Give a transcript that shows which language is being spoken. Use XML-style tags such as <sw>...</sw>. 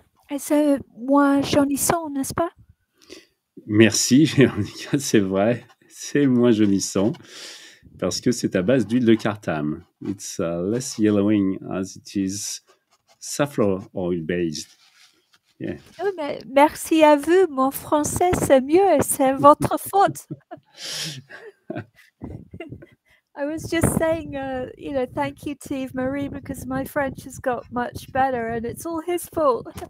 <fr>Est-ce moi jaunissant, n'est-ce pas? Merci, Véronica, c'est vrai. C'est moins jaunissant parce que c'est à base d'huile de cartame.</fr> <en>It's less yellowing as it is safflower oil based. Yeah.</en> <fr>Oui, mais merci à vous, mon français c'est mieux, c'est votre faute.</fr> <en>I was just saying, you know, thank you to Yves Marie because my French has got much better and it's all his fault.</en>